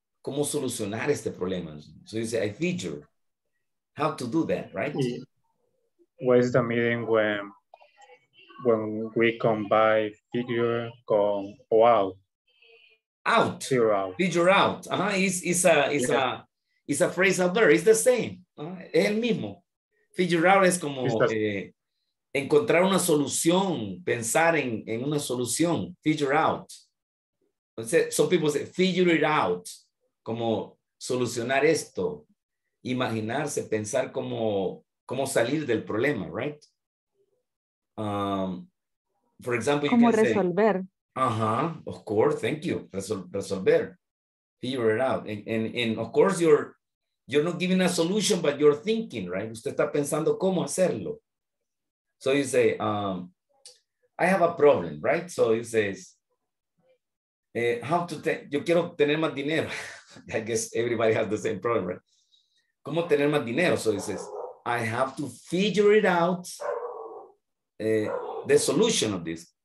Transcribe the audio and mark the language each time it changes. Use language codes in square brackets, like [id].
[es] cómo solucionar este problema. [en] So you say, I feature. How to do that, right? What is the meaning when we combine figure con out? Out. Figure out. Figure out. Uh-huh. It's a phrase out there. It's the same. [es] Uh-huh. Es el mismo. Figure out es como encontrar una solución, pensar en una solución. Figure out. [en] Some people say figure it out, [es] como solucionar esto, imaginarse, pensar cómo salir del problema, right? [en] For example, [es] ¿cómo resolver? [en] Uh-huh, of course, thank you. Resolver, figure it out. And of course, you're not giving a solution, but you're thinking, right? [es] Usted está pensando cómo hacerlo. [en] So you say, I have a problem, right? So it says, [es] yo quiero tener más dinero. [en] I guess everybody has the same problem, right? [es] ¿Cómo tener más dinero? [en] So it says, I have to figure it out the solution of this.